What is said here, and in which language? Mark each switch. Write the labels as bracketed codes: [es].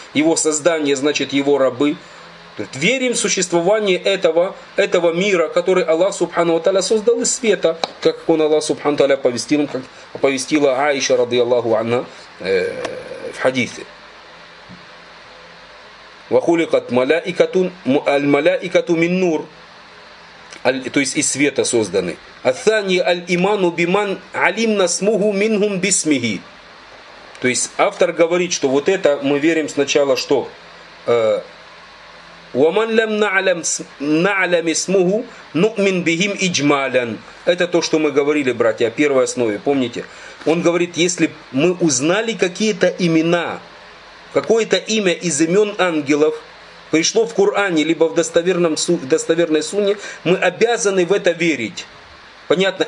[ru] Его создание, значит, его рабы. Верим в существование этого мира, который Аллах Субхану Ва Тааля создал из света, как он Аллах Субхану Ва Тааля повестил, как повестила Аиша ради Аллаху Анна в хадисе. [ar] وخلقت الملائكة من نور, [ru] то есть из света созданы. [ar] الثاني الإيمان بمن علمنا اسمه منهم باسمه. [ru] То есть автор говорит, что вот это мы верим сначала, что [ar] ومن لم نعلم اسمه نؤمن بهم إجمالا. [ru] Это то, что мы говорили, братья, о первой основе, помните? Он говорит, если мы узнали какие-то имена, какое-то имя из имен ангелов пришло в Коране, либо в достоверной сунне, мы обязаны в это верить. Понятно?